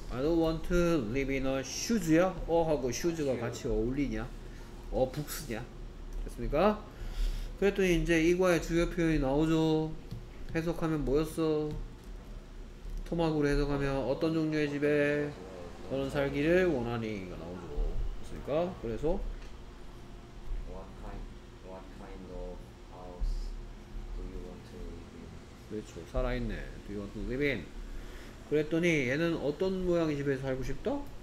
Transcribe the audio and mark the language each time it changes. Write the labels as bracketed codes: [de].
[en] I don't want to live in a shoes야? [ko] 하고 shoes가 같이 어울리냐? 북스냐? 됐습니까? 그랬더니 이제 이과의 주요 표현이 나오죠. 해석하면 뭐였어? 토막으로 해석하면 어떤 종류의 집에 너는 살기를 원하니가 나오죠. 됐습니까? 그래서 [en] What kind of house do you want to live in? [ko] 그렇죠. 살아있네. [en] Do you want to live in? [ko] 그랬더니 얘는 어떤 모양의 집에 살고 싶다?